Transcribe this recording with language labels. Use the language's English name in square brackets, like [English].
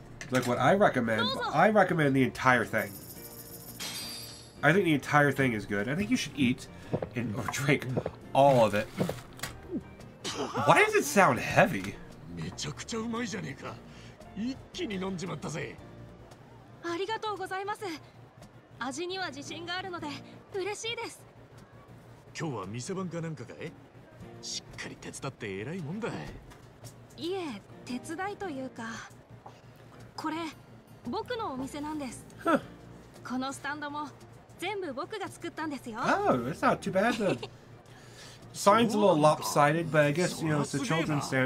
[English] Like, what I recommend, I recommend the entire thing. I think the entire thing is good. I think you should eat and or drink all of it. Why does it sound heavy? [Japanese] めちゃくちゃうまいじゃねえか。一気に飲んじまったぜ。ありがとうございます。味には自信があるので嬉しいです。今日は店番かなんかかい？しっかり手伝って偉いもんだ。いえ、手伝いというか、これ僕のお店なんです。このスタンドも [English] Oh, that's not too bad. The sign's a little lopsided, but I guess, you know, it's a children's stand.